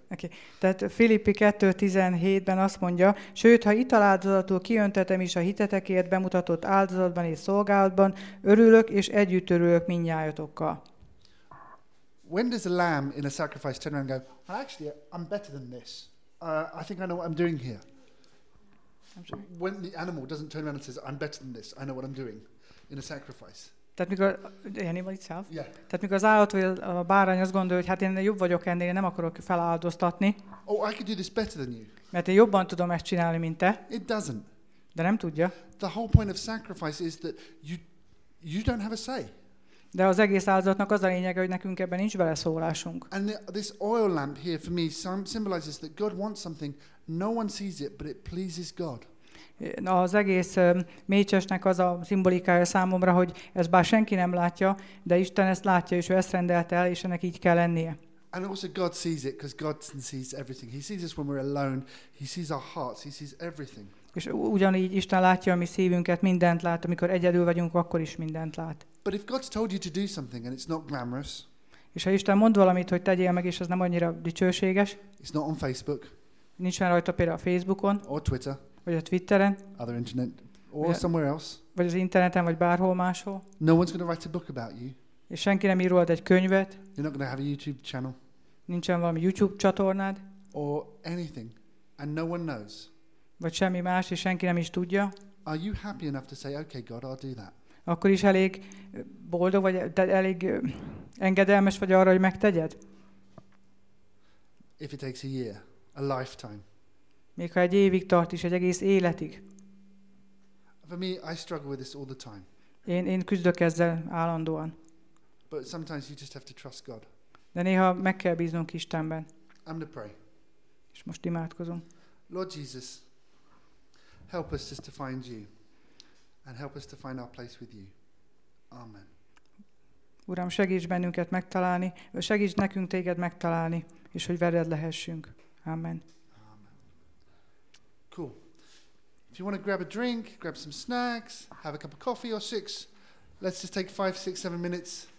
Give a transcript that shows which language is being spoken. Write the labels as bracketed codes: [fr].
[hu] Okay, tehát Filippi 2.17-ben azt mondja, sőt, ha italáldozatul kiöntetem is a hitetekért bemutatott áldozatban és szolgálatban, örülök és együtt örülök mindnyájatokkal. [en] When does a lamb in a sacrifice turn around and go, actually, I'm better than this. I think I know what I'm doing here. I'm sorry. When the animal doesn't turn around and says, I'm better than this, I know what I'm doing in a sacrifice. [hu] Tehát mikor, [en] the animal itself? Yeah. [hu] Tehát mikor az állat vagy a bárány azt gondolja, hogy hát én jobb vagyok ennél, nem akarok feláldoztatni. [en] Oh, I could do this better than you. [hu] Mert én jobban tudom ezt csinálni, mint te. [en] It doesn't. [hu] De nem tudja. [en] The whole point of sacrifice is that you don't have a say. [hu] De az egész áldozatnak az a lényege, hogy nekünk ebben nincs beleszólásunk. [en] And this oil lamp here for me symbolizes that God wants something, no one sees it, but it pleases God. [hu] Az egész mécsesnek az a szimbolikája számomra, hogy ez bár senki nem látja, de Isten ezt látja, és ő ezt rendelte el, és ennek így kell lennie. [en] And also God sees it, because God sees everything. He sees us when we're alone, he sees our hearts, he sees everything. [hu] És ugyanígy Isten látja a mi szívünket, mindent lát, amikor egyedül vagyunk, akkor is mindent lát. [en] But if God's told you to do something and it's not glamorous, [hu] és ha Isten mond valamit, hogy tegyél meg, és ez nem annyira dicsőséges, [en] it's not on Facebook, [hu] nincs már rajta például a Facebookon, [en] or Twitter, [hu] vagy a Twitteren, [en] other internet, or somewhere else, [hu] vagy az interneten, vagy bárhol máshol. [en] No one's going to write a book about you. [hu] És senki nem ír rólad egy könyvet. [en] You're not going to have a YouTube channel. [hu] Nincsen valami YouTube csatornád. [en] Or anything, and no one knows. [hu] Vagy semmi más, és senki nem is tudja. [en] Are you happy enough to say, okay, God, I'll do that? [hu] Akkor is elég boldog vagy, elég engedelmes vagy arra, hogy megtegyed? [en] If it takes a year, a lifetime. [hu] Még ha egy évig tart is, egy egész életig. [en] For me, I struggle with this all the time. [hu] Én küzdök ezzel állandóan. [en] But sometimes you just have to trust God. [hu] De néha meg kell bíznunk Istenben. [en] I'm gonna pray. [hu] És most imádkozom. [en] Lord Jesus, help us just to find you and help us to find our place with you. Amen. [hu] Uram, segíts bennünket megtalálni, segíts nekünk téged megtalálni, és hogy veled lehessünk. Amen. Amen. [en] Cool. If you want to grab a drink, grab some snacks, have a cup of coffee or six, let's just take 5, 6, 7 minutes.